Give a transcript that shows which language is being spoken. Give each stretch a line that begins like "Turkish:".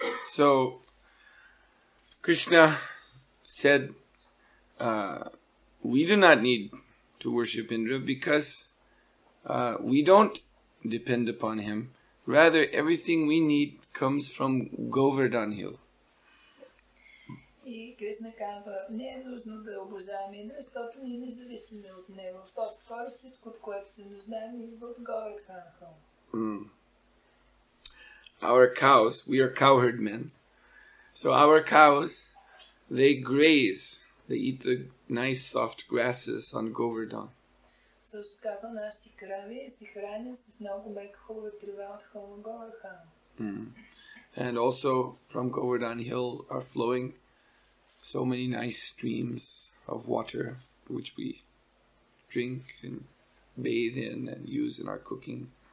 English: So Krishna said, we do not need to worship Indra because we don't depend upon him. Rather, everything we need comes from Govardhan Hill.
Bulgarian: И Кришна казва, не е нужно да обожаваме Индра, защото ние не зависиме от него. По-скоро всичко, от което се нуждаем, е в Говардхана Хъм.
English: Our cows, we are cowherd men. So our cows, they graze, they eat the nice soft grasses on Govardhan.
Bulgarian: Също казва, нашите крави се хранят с много мека хубава трева от Хъм Говардхан.
English: And also from Govardhan Hill are flowing so many nice streams of water, which we drink and bathe in and use in our cooking.